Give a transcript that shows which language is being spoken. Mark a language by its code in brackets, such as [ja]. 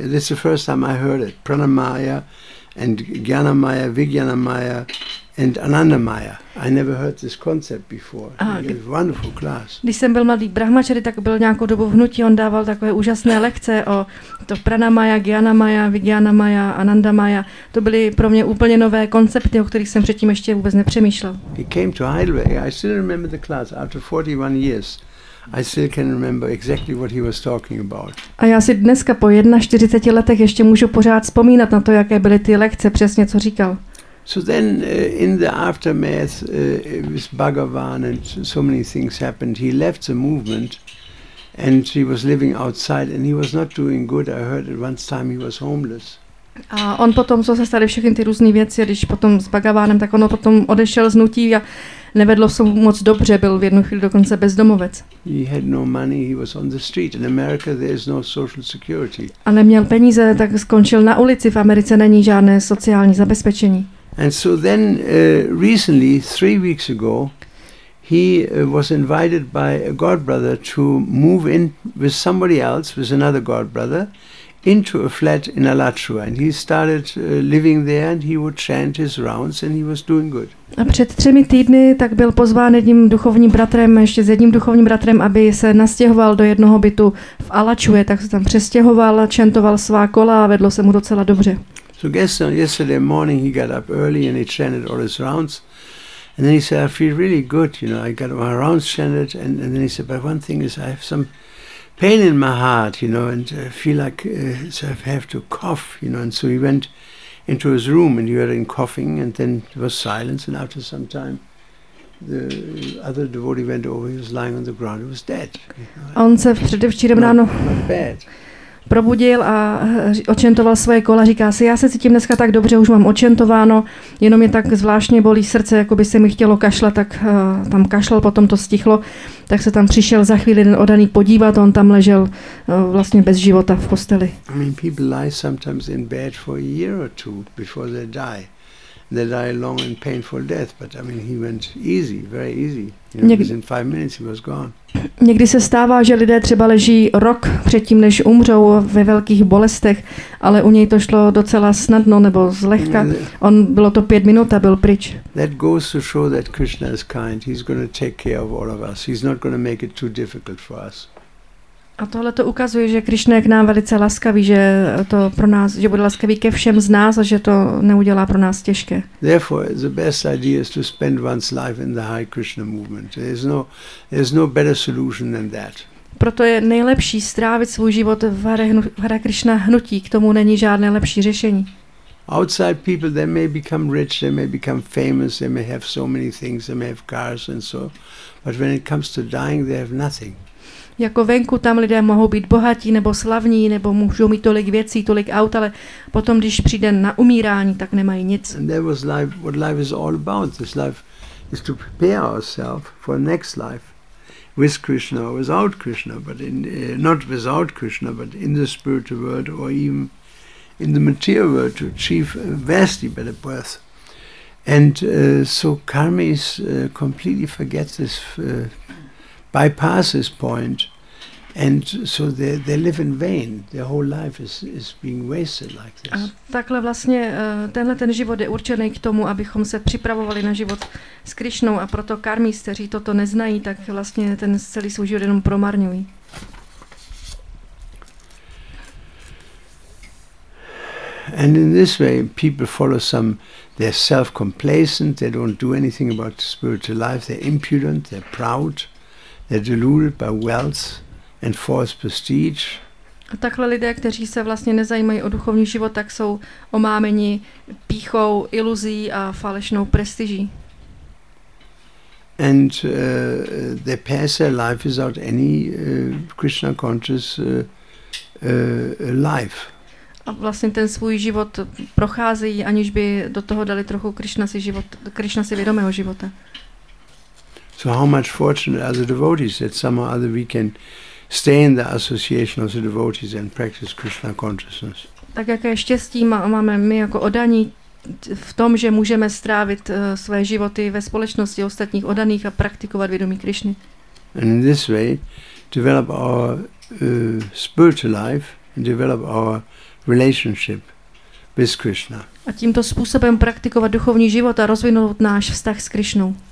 [en] This is the first time I heard it. Pranamaya and jnanamaya, vijnanamaya and anandamaya. I never heard this concept before. It was a wonderful class. [cs] Když jsem byl mladý brahmachari, tak byl nějakou dobu v hnutí. On dával takové úžasné lekce o to pranamaya, jnanamaya, vijnanamaya, anandamaya. To byly pro mě úplně nové koncepty, o kterých jsem předtím ještě vůbec nepřemýšlel. [en] He came to Heidelberg. I still remember the class after 41 years. I still can remember exactly what he was talking about. [cs] A já si dneska po 41 letech ještě můžu pořád vzpomínat na to, jaké byly ty lekce, přesně co říkal. [en] So then in the aftermath with Bhagavan and so many things happened, he left the movement and he was living outside and he was not doing good. I heard at one time he was homeless. [cs] A on potom, co se staly všechny ty různé věci, když potom s Bhagavanem, tak ono potom odešel z nutí a nevedlo se moc dobře, byl v jednu chvíli dokonce bezdomovec. [en] He had no money, he was on the street. In America there is no social security. [cs] A neměl peníze, tak skončil na ulici. V Americe není žádné sociální zabezpečení. [en] And so then recently, 3 weeks ago, he was invited by a godbrother to move in with somebody else, with another godbrother, into a flat in Alachua, and he started living there and he would chant his rounds and he was doing good. [cs] A před 3 týdny tak byl pozván jedním duchovním bratrem, ještě s jedním duchovním bratrem, aby se nastěhoval do jednoho bytu v Alachua, tak se tam přestěhoval, chantoval svá kola a vedlo se mu docela dobře. [en] So yesterday morning he got up early and he chanted all his rounds. And then he said, I feel really good, you know, I got my rounds chanted. And then he said, but one thing is I have some pain in my heart, you know, and I feel like so I have to cough, you know. And so he went into his room and he heard him coughing and then there was silence. And after some time, the other devotee went over, he was lying on the ground, he was dead. You know? [cs] On se předevčírem ráno probudil a očentoval svoje kola, říká si, já se cítím dneska tak dobře, už mám očentováno, jenom mě tak zvláštně bolí srdce, jako by se mi chtělo kašlat, tak tam kašlal, potom to stichlo, tak se tam přišel za chvíli ten odaný podívat, on tam ležel vlastně bez života v posteli. [en] I mean, people lie sometimes in bed for a year or two before they die. they die a long and painful death, but I mean he went easy, very easy. You know, within 5 minutes he was gone. [cs] Někdy se stává, že lidé třeba leží rok předtím, než umřou ve velkých bolestech, ale u něj to šlo docela snadno nebo zlehka. On bylo to 5 minut a byl pryč. [en] That goes to show that Krishna is kind. He's going to take care of all of us. He's not going to make it too difficult for us. [cs] A tohle to ukazuje, že Krišna je k nám velice laskavý, že to pro nás, že bude laskavý ke všem z nás a že to neudělá pro nás těžké. [en] Therefore, the best idea is to spend one's life in the Hare Krishna movement. There's no better solution than that. [cs] Proto je nejlepší strávit svůj život v Hare Krishna hnutí. K tomu není žádné lepší řešení. [en] Outside people, they may become rich, they may become famous, they may have so many things, they may have cars and so, but when it comes to dying, they have nothing. [cs] Jako venku tam lidé mohou být bohatí nebo slavní, nebo můžou mít tolik věcí, tolik aut, ale potom, když přijde na umírání, tak nemají nic. [en] And that was life, what life is all about. This life is to prepare ourselves for next life with Krishna or without Krishna, but in, not without Krishna, but in the spiritual world or even in the material world to achieve a vastly better birth. And so karma is completely forgets this bypass this point, and so they live in vain. Their whole life is being wasted like this. [cs] A takhle vlastně tenhle ten život je určený k tomu, abychom se připravovali na život s Krišnou, a proto karmíci, kteří toto neznají, tak vlastně ten celý svůj život jenom promarňují. [en] And in this way, people follow some. They're self-complacent. They don't do anything about the spiritual life. They're impudent. They're proud. They're deluded by wealth and false prestige. [cs] A takhle lidé, kteří se vlastně nezajímají o duchovní život, tak jsou omámeni pýchou, iluzí a falešnou prestiží. [en] And they pass their life without any Krishna conscious life. [cs] A vlastně ten svůj život procházejí, aniž by do toho dali trochu Krishna si vědomého života. [en] So how much fortunate are the devotees that somehow or other we can stay in the association of the devotees and practice Krishna consciousness. [cs] Tak jaké štěstí máme my jako oddaní v tom, že můžeme strávit své životy ve společnosti ostatních oddaných a praktikovat vědomí Krišny. [en] And in this way develop our spiritual life and develop our relationship with Krishna. [cs] A tímto způsobem praktikovat duchovní život a rozvinout náš vztah s Krišnou.